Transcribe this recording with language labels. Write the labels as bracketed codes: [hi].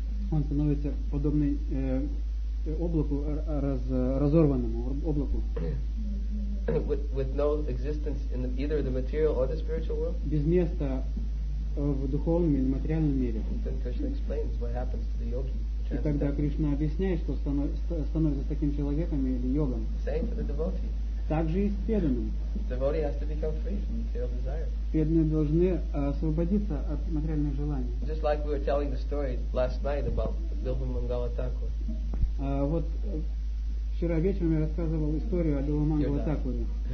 [ru] Он становится подобный облаку, разорванному облаку. [en] With no existence in either the material or the spiritual world? [ru] Без места в духовном или материальном мире. [en] Then Krishna explains what happens to the yogi. [ru] И тогда Кришна объясняет, что становится таким человеком или йогом. [en] Same for the devotee. [ru] Также и с преданным. [en] Devotee has to become free from material desire. [ru] Преданные должны освободиться от материальных желаний. [en] Just like we were telling the story last night about Bilbo Mangala Thakur. [ru] Вот вчера вечером я рассказывал историю о Бильбо Мангала Такуре.